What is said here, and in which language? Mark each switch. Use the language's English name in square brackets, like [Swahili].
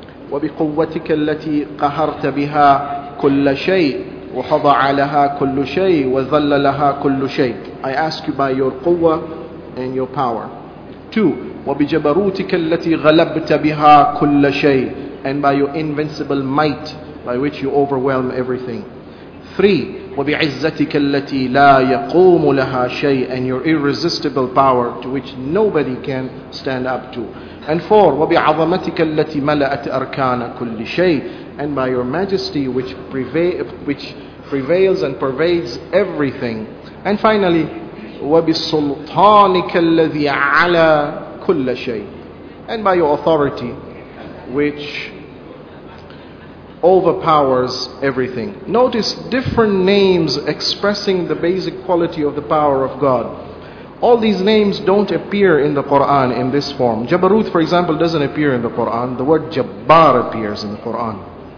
[Arabic] وبقوتك التي قهرت بها كل شيء وخضع لها كل شيء وذل لها كل شيء. [English] I ask you by your قوة and your power. 2. [Arabic] وبجبروتك التي غلبت بها كل شيء. [English] And by your invincible might by which you overwhelm everything. 3. [Arabic] وبعزتك التي لا يقوم لها شيء. [English] And your irresistible power to which nobody can stand up to. And 4. [Arabic] وبعظمتك التي ملأت أركان كل شيء. [English] And by your majesty which prevails and pervades everything. And finally, [Arabic] وبسلطانك الذي على كل شيء. [English] And by your authority which overpowers everything. Notice different names expressing the basic quality of the power of God. All these names don't appear in the Quran in this form. Jabarut, for example, doesn't appear in the Quran. The word Jabbar appears in the Quran.